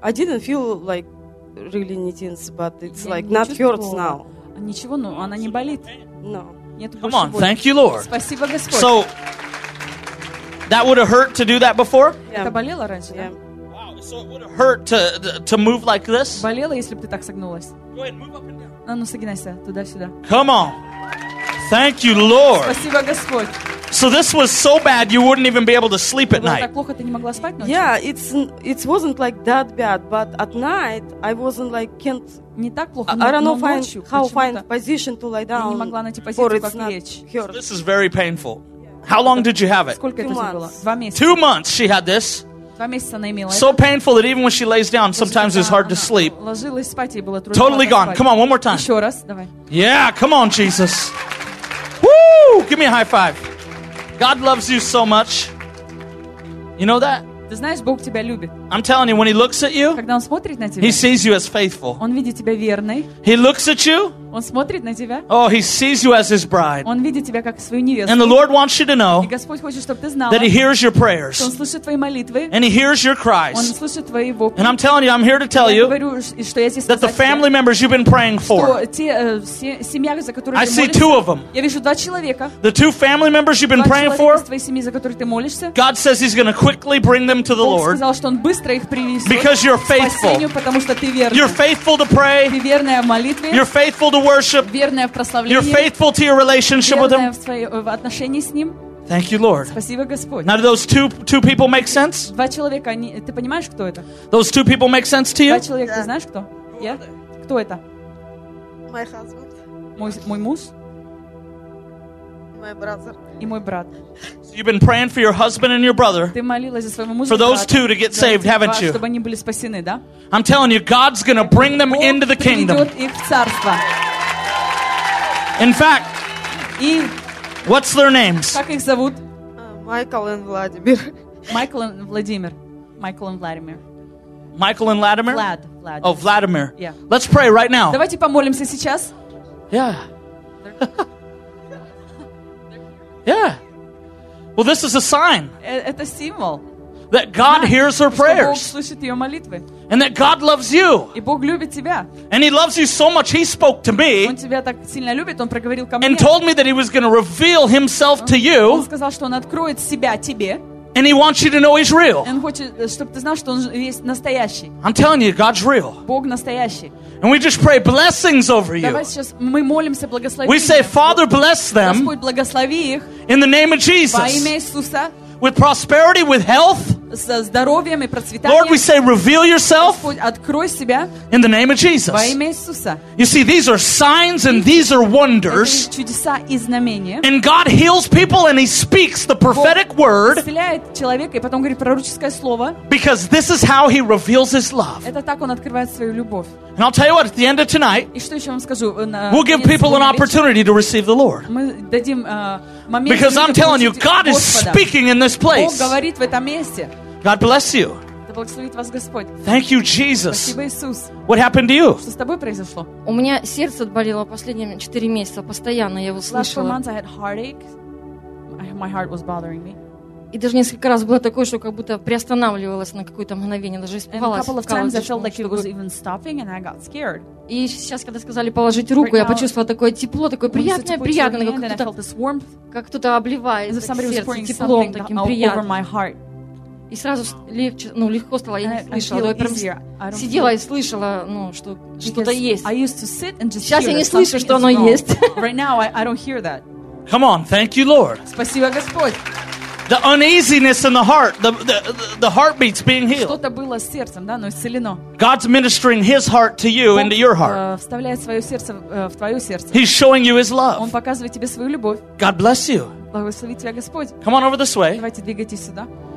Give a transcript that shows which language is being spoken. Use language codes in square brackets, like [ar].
[en] I didn't feel like really anything, but it's like not hurts now. [ru] Ничего, но она не болит. [en] No. Come on, thank you, Lord. [ru] Спасибо, Господь. [en] So, that would have hurt to do that before? [ru] Это болело раньше, да? [en] Wow, so it would have hurt to move like this? [ru] Болело, если бы ты так согнулась. [en] Go ahead, move up and down. [ru] А ну, согинайся, туда-сюда. [en] Come on. Thank you, Lord. [ru] Спасибо, Господь. [en] So this was so bad you wouldn't even be able to sleep at night. [ru] Так плохо, ты не могла спать ночью? [en] Yeah, it wasn't like that bad, but at night I wasn't like can't. [ru] Не так плохо, но ночью. [en] I don't know how find position to lie down. [ru] Не могла найти позицию, как лечь. [en] So this is very painful. How long did you have it? [ru] Сколько это было? 2 месяца. [en] 2 months she had this. [ru] 2 месяца она имела это. [en] So painful that even when she lays down, sometimes it's hard to sleep. [ru] Ложилась спать, ей было трудно. [en] Totally gone. Come on, one more time. [ru] Еще раз, давай. [en] Yeah, come on, Jesus. Woo! Give me a high five. God loves you so much. You know that? [ru] Ты знаешь, Бог тебя любит. [en] I'm telling you, when he looks at you, [ru] когда он смотрит на тебя, [en] he sees you as faithful. [ru] Он видит тебя верной. [en] He looks at you. [ru] Он смотрит на тебя. [en] Oh, he sees you as his bride. [ru] Он видит тебя как свою невесту. [en] And the Lord wants you to know, [ru] и Господь хочет, чтобы ты знала, [en] that he hears your prayers. [ru] Что он слышит твои молитвы. [en] And he hears your cries. [ru] Он слышит твои вопли. [en] And I'm telling you, I'm here to tell you, [ru] говорю, что я здесь, [en] that the family members you've been praying for, [ru] семья, за которую ты молишься, [en] I see two of them. [ru] Я вижу два человека. [en] The two family members you've been praying for, [ru] из твоей семьи, за которую ты молишься, [en] God says he's going to quickly bring them to the Lord. [ru] Бог сказал, что он быстро их принесет. [en] Because you're faithful. [ru] Спасению, потому что ты верный. [en] You're faithful to pray. [ru] Ты верная в молитве. [en] You're faithful to worship. [ru] Верная в прославлении. [en] You're faithful to your relationship with him. [ru] Верная в своей, в отношении с ним. [en] Thank you, Lord. [ru] Спасибо, Господь. [en] Now, do those two people make sense? [ru] Два человека, они, ты понимаешь, кто это? [en] Those two people make sense to you? [ru] Два человека, yeah. Ты знаешь, кто? Yeah? Кто это? [en] My husband. [ru] Мой муж. [en] My brother. [ru] И мой брат. [en] So you've been praying for your husband and your brother. [ru] Ты молилась за своего мужа. [en] For those two to get saved, haven't you? [ru] Чтобы они были спасены, да? [en] I'm telling you, God's going to bring them into the kingdom. [ru] Бог приведет их в царство. [en] In fact, [ru] и [en] what's their names? [ru] Как их зовут? [en] Michael and Vladimir. Michael and Vladimir. Michael and Vladimir. Michael and Vladimir. Vlad. Vladimir. Oh, Vladimir. Yeah. Let's pray right now. [ru] Давайте помолимся сейчас. [en] Yeah. Yeah. Well, this is a sign. [ru] Это символ. [en] That God hears her prayers. [ru] Бог слышит ее молитвы. [en] And that God loves you. [ru] И Бог любит тебя. [en] And he loves you so much, he spoke to me. [ru] Он тебя так сильно любит, он проговорил ко мне. [en] And told me that he was going to reveal himself to you. [ru] Он сказал, что он откроет себя тебе. [en] And he wants you to know he's real. [ru] Он хочет, чтобы ты знал, что он есть настоящий. [en] I'm telling you, God's real. [ru] Бог настоящий. [en] And we just pray blessings over you. [ru] Давай сейчас мы молимся благословение. [en] We say, Father, bless them. [ru] Господь, благослови их. [en] In the name of Jesus. [ru] Во имя Иисуса. [en] With prosperity, with health. [ru] Со здоровьем и процветанием. [en] Lord, we say, reveal yourself. [ru] Господь, открой себя. [en] In the name of Jesus. [ru] Во имя Иисуса. [en] You see, these are signs and these are wonders. [ru] Это чудеса и знамения. [en] And God heals people and he speaks the prophetic word. [ru] Бог исцеляет человека и потом говорит пророческое слово. [en] Because this is how he reveals his love. [ru] Это так он открывает свою любовь. [en] And I'll tell you what, at the end of tonight, [ru] и что еще вам скажу, [en] we'll give people an opportunity to receive the Lord. [ru] Мы дадим, момент, [en] because I'm telling you, God is speaking in this place. [ru] Бог говорит в этом месте. [en] God bless you. [ru] Да благословит вас Господь. [en] Thank you, Jesus. [ru] Спасибо, Иисус. [en] What happened to you? [ru] Что с тобой произошло? У меня сердце отболело последние 4 месяца. Постоянно я его слышала. [en] Last 4 months I had heartache. My heart was bothering me. [ru] И даже несколько раз было такое, что как будто приостанавливалось на какое-то мгновение, даже испугалась. [en] And a couple of times I felt like it was even stopping and I got scared. [ru] И сейчас, когда сказали положить руку, я почувствовала такое тепло, такое приятное, приятное, как кто-то обливает сердце теплом, таким приятным. И сразу легче, ну, легко стало, я не слышала. Я прям сидела и слышала, ну, что что-то есть. Сейчас я не слышу, что оно есть. [en] Right now, I don't hear that. Come on, thank you, Lord. [ru] Спасибо, Господь. [en] The uneasiness in the heart, the heartbeats being healed. [ru] Что-то было с сердцем, да, но исцелено. [en] God's ministering His heart to you, [ru] Бог, [en] into your heart. [ru] Вставляет свое сердце в твое сердце. [en] He's showing you His love. [ru] Он показывает тебе свою любовь. [en] God bless you. [ru] Благослови тебя Господь. [en] Come on over this way. [ru] Давайте двигайтесь сюда.